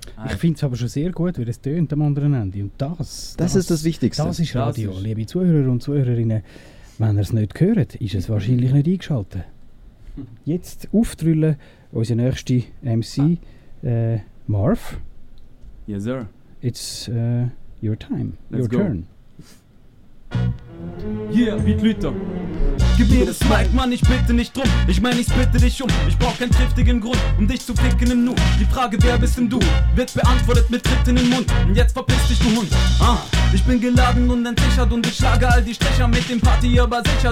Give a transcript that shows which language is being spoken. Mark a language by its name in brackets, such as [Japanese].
[German] Ich finde es aber schon sehr gut, wie das tönt am anderen Ende. Und das ist das Wichtigste. Das ist Radio, das ist liebe Zuhörer und Zuhörerinnen. Wenn ihr es nicht hört, ist es wahrscheinlich nicht eingeschaltet. Jetzt auftrüllen, unser nächster MC, Marv. [English] Yes, sir. It's your time, Let's your go. Turn. Yeah, Beatlüter. [German] Gib mir das Mic, Mann, ich bitte nicht drum. Ich meine, ich bitte dich um. Ich brauch keinen triftigen Grund, um dich zu ficken im Nu. Die Frage, wer bist denn du, wird beantwortet mit Tritt in den Mund. Und jetzt verpiss dich, du Hund. Ich bin geladen und entsichert und ich schlage all die Stecher mit dem Party, aber sicher.